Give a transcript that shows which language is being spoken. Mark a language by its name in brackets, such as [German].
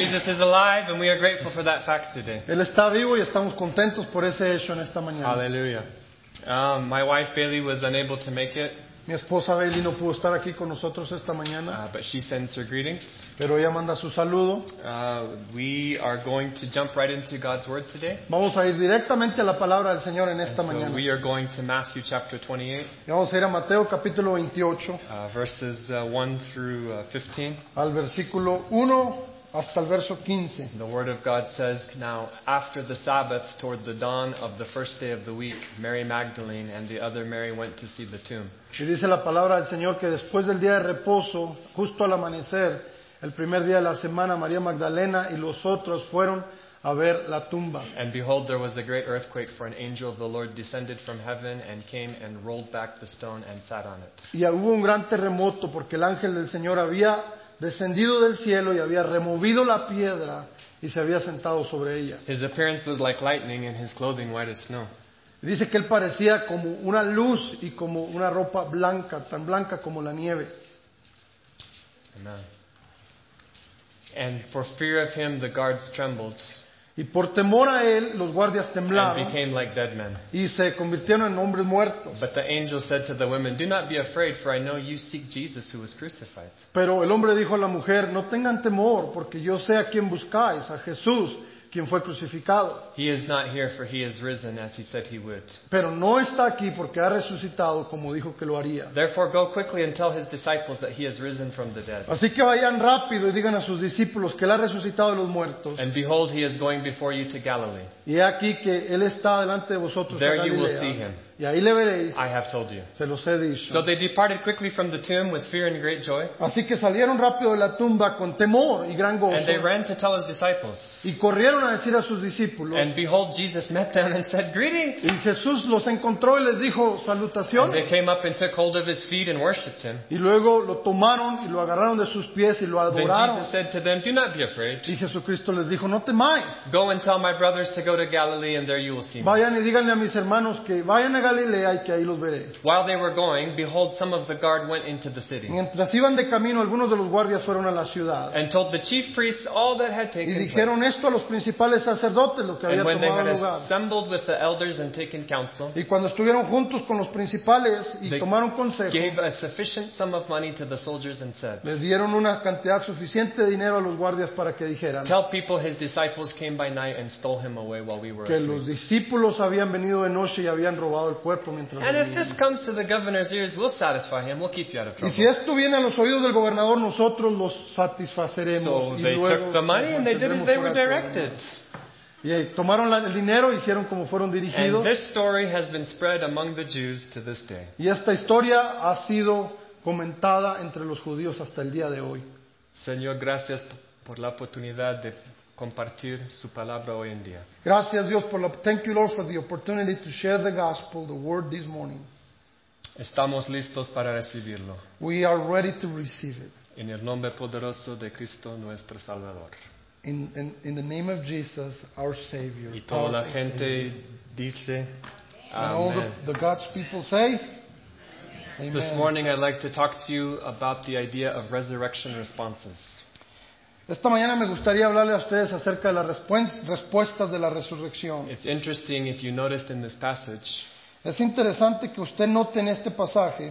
[English] Jesus is alive, and we are grateful for that fact today. [Spanish] Él está vivo y estamos contentos por ese hecho en esta mañana. [English] Aleluya. My wife Bailey was unable to make it. [Spanish] Mi esposa Bailey no pudo estar aquí con nosotros esta mañana. [English] But she sends her greetings. [Spanish] Pero ella manda su saludo. [English] We are going to jump right into God's word today. [Spanish] Vamos a ir directamente a la palabra del Señor en esta mañana. [English] We are going to Matthew chapter 28. [Spanish] Y vamos a ir a Mateo capítulo 28. [English] Verses 1 through 15. [Spanish] Al versículo 1 hasta el verso 15. [English] The word of God says, "Now after the Sabbath, toward the dawn of the first day of the week, Mary Magdalene and the other Mary went to see the tomb." [Spanish] Y dice la palabra del Señor que después del día de reposo, justo al amanecer, el primer día de la semana, María Magdalena y los otros fueron a ver la tumba. [English] And behold, there was a great earthquake, for an angel of the Lord descended from heaven and came and rolled back the stone and sat on it. [Spanish] Y hubo un gran terremoto porque el ángel del Señor había descendido del cielo y había removido la piedra y se había sentado sobre ella. [English] His appearance was like lightning and his clothing white as snow. [Spanish] Dice que él parecía como una luz y como una ropa blanca, tan blanca como la nieve. [English] Amen. And for fear of him, the guards trembled. [Spanish] Y por temor a él, los guardias temblaron. [English] And became like dead men. [Spanish] Y se convirtieron en hombres muertos. [English] But the angel said to the women, "Do not be afraid, for I know you seek Jesus who was crucified." [Spanish] Pero el hombre dijo a la mujer, "No tengan temor, porque yo sé a quién buscáis, a Jesús, quien fue crucificado." [English] He is not here, for he is risen, as he said he would. [Spanish] Pero no está aquí porque ha resucitado como dijo que lo haría. [English] Therefore, go quickly and tell his disciples that he has risen from the dead. [Spanish] Así que vayan rápido y digan a sus discípulos que él ha resucitado de los muertos. [English] And behold, he is going before you to Galilee. [Spanish] Y aquí que él está delante de vosotros. [English] There [Spanish] a Galilea. [English] You will see him. [Spanish] Y ahí le veréis. [English] I have told you. [Spanish] Se los he dicho. [English] So they departed quickly from the tomb with fear and great joy. [Spanish] Así que salieron rápido de la tumba con temor y gran gozo. [English] And they ran to tell his disciples. [Spanish] Y corrieron a decir a sus discípulos. [English] And behold, Jesus met them and said, "Greetings." [Spanish] Y Jesús los encontró y les dijo, "Salutaciones." [English] And they came up and took hold of his feet and worshipped him. [Spanish] Y luego lo tomaron y lo agarraron de sus pies y lo adoraron. [English] Then Jesus said to them, "Do not be afraid." [Spanish] Y Jesucristo les dijo, "No temáis." [English] Go and tell my brothers to go to Galilee and there you will see me. [Spanish] Vayan y díganle a mis hermanos que vayan a Galilea y que ahí los veré. [English] While they were going, behold, some of the guard went into the city. [Spanish] Mientras iban de camino, algunos de los guardias fueron a la ciudad. [English] And told the chief priests all that had taken place. [Spanish] Y dijeron esto a los principales sacerdotes lo que había tomado lugar. [English] And when they had assembled with the elders and taken counsel. [Spanish] Y cuando estuvieron juntos con los principales y tomaron consejo. [English] Gave a sufficient sum of money to the soldiers and said. [Spanish] Les dieron una cantidad suficiente de dinero a los guardias para que dijeran. [English] Tell people his disciples came by night and stole him away while we were asleep. [Spanish] Que los discípulos habían venido de noche y habían robado. [English] And if this comes to the governor's ears, we'll satisfy him. We'll keep you out of trouble. [Spanish] Y si esto viene a los oídos del gobernador, nosotros los satisfaceremos. [English] So they took the money and they did as they were directed. [Spanish] Y tomaron el dinero, hicieron como fueron dirigidos. [English] And this story has been spread among the Jews to this day. [Spanish] Y esta historia ha sido comentada entre los judíos hasta el día de hoy. Señor, gracias por la oportunidad de compartir su palabra hoy en día. Gracias Dios por la, [English] thank you Lord for the opportunity to share the gospel, the word this morning. [Spanish] Estamos listos para recibirlo. [English] We are ready to receive it. [Spanish] En el nombre poderoso de Cristo nuestro Salvador. [English] In the name of Jesus, our Savior. [Spanish] Y toda la gente dice, [English] Amen. And all the God's people say, Amen. This morning I'd like to talk to you about the idea of resurrection responses. [Spanish] Esta mañana me gustaría hablarle a ustedes acerca de las respuestas de la resurrección. [English] It's interesting if you noticed in this passage. [Spanish] Es interesante que usted note en este pasaje